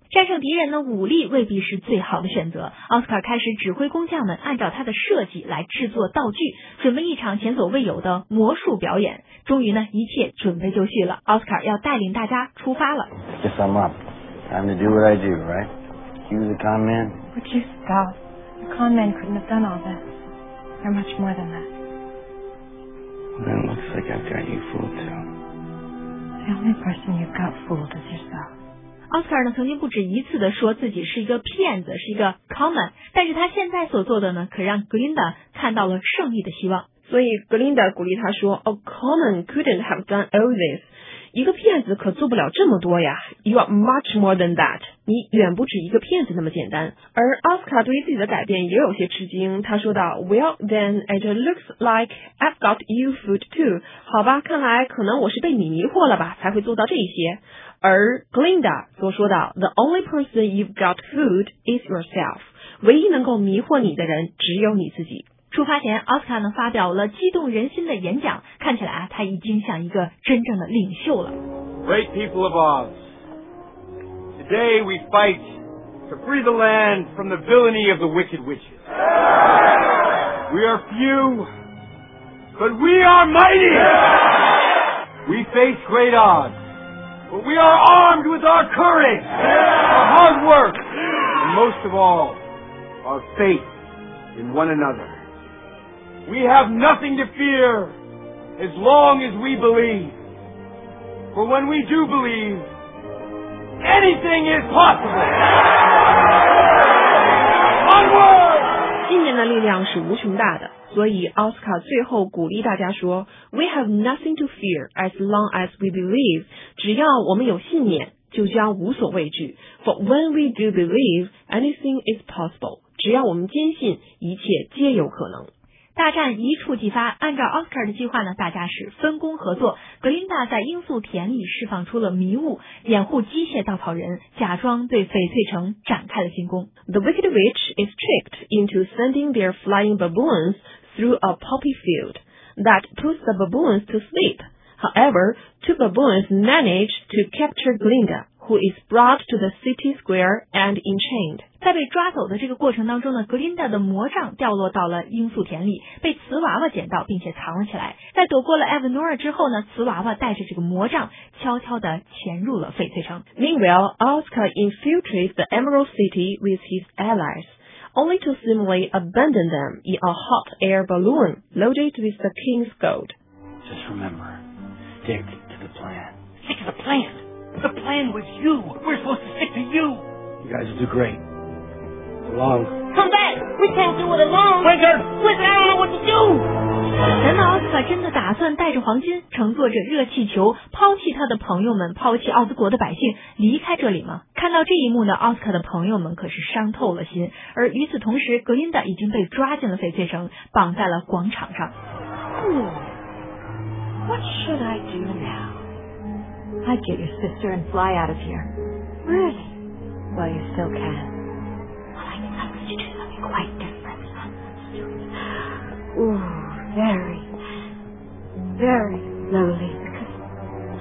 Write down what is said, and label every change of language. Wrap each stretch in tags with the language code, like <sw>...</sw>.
<zh>战胜敌人的武力未必是最好的选择奥斯卡开始指挥工匠们按照他的设计来制作道具准备一场前所未有的魔术表演终于呢一切准备就绪了奥斯卡要带领大家出发了</zh> <en>Yes I'm up Time to do what I do right Cue the con man Would you stop The con man couldn't have done all this You're much more than that Well, then it looks like I've got you fooled, too. The only person you've got fooled is yourself.</en> <zh>奥斯卡呢曾经不止一次地说自己是一个骗子是一个 common 但是他现在所做的呢可让格林达看到了胜利的希望所以格林达鼓励他说</zh> <en>A common couldn't have done all this</en> <zh>一个骗子可做不了这么多呀</zh> <en>You are much more than that</en> <zh>你远不止一个骗子那么简单而奥斯卡对于自己的改变也有些吃惊他说道</zh> <en>Well then it looks like I've got you fooled too</en> <zh>好吧看来可能我是被你迷惑了吧才会做到这些而 Glinda 所说到</zh> <en>The only person you've got fooled is yourself</en> <zh>唯一能够迷惑你的人只有你自己出发前奥斯卡呢发表了激动人心的演讲看起来啊他已经像一个真正的领袖了</zh> <en>Great people of Oz Today we fight to free the land from the villainy of the wicked witches We are few But we are mighty We face great odds But we are armed with our courage, our hard work, and most of all, our faith in one another. We have nothing to fear as long as we believe. For when we do believe, anything is possible. Onward!</en> <zh>信念的力量是无穷大的。所以奥斯卡最后鼓励大家说</zh> <en>We have nothing to fear as long as we believe</en> <zh>只要我们有信念就将无所畏惧</zh> <en>For when we do believe anything is possible</en> <zh>只要我们坚信一切皆有可能大战一触即发按照奥斯卡的计划呢大家是分工合作格林达在罂粟田里释放出了迷雾掩护机械稻草人假装对翡翠城展开了进攻</zh> <en>The Wicked Witch is tricked into sending their flying baboons through a poppy field that puts the baboons to sleep However, two baboons manage to capture Glinda who is brought to the city square and enchained</en> <zh>在被抓走的这个过程当中呢 Glinda 的魔杖掉落到了罂粟田里被瓷娃娃捡到并且藏了起来在躲过了 Evanora 之后呢瓷娃娃带着这个魔杖悄悄地潜入了翡翠城</zh> <en>Meanwhile, Oscar infiltrates the Emerald City with his allies only to simply abandon them in a hot air balloon loaded with the king's gold Just rememberStick to the plan. Stick to the plan? The plan was you. We're supposed to stick to you. You guys will do great. Alone. Come back. We can't do it alone. Wizard. Wizard, I don't know what to do.</en> <zh>难道奥斯卡真的打算带着黄金乘坐着热气球抛弃他的朋友们抛弃奥兹国的百姓离开这里吗看到这一幕呢奥斯卡的朋友们可是伤透了心而与此同时格林达已经被抓进了翡翠城绑在了广场上、</zh> <en>hmm. What should I do now? I'd get your sister and fly out of here Really? Well you still can Well I think I'm going to do something quite different Ooh. Very, very slowly.</en>